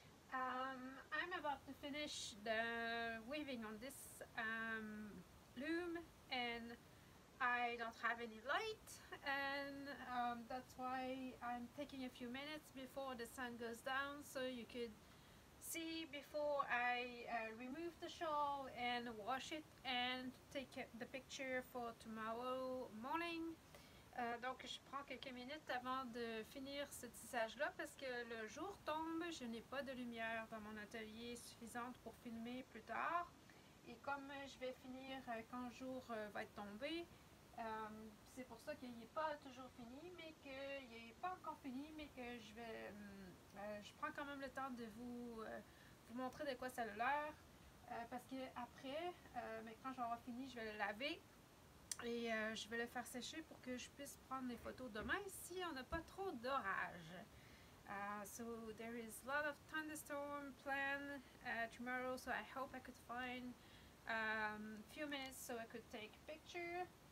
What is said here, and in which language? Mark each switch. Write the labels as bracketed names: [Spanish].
[English] I'm about to finish the weaving on this loom, and I don't have any light, and that's why I'm taking a few minutes before the sun goes down, so you could see before I remove the shawl and wash it and take the picture for tomorrow morning. [French] Donc, je prends quelques minutes avant de finir ce tissage-là parce que le jour tombe, je n'ai pas de lumière dans mon atelier suffisante pour filmer plus tard. Et comme je vais finir quand le jour va être tombé, c'est pour ça qu'il n'est pas toujours fini, mais qu'il n'est pas encore fini, mais que je vais, je prends quand même le temps de vous montrer de quoi ça a l'air. Parce qu'après, mais quand j'aurai fini, je vais le laver. Et je vais le faire sécher pour que je puisse prendre les photos demain si on n'a pas trop d'orage. [English] So there is a lot of thunderstorm planned tomorrow, so I hope I could find a few minutes so I could take a picture.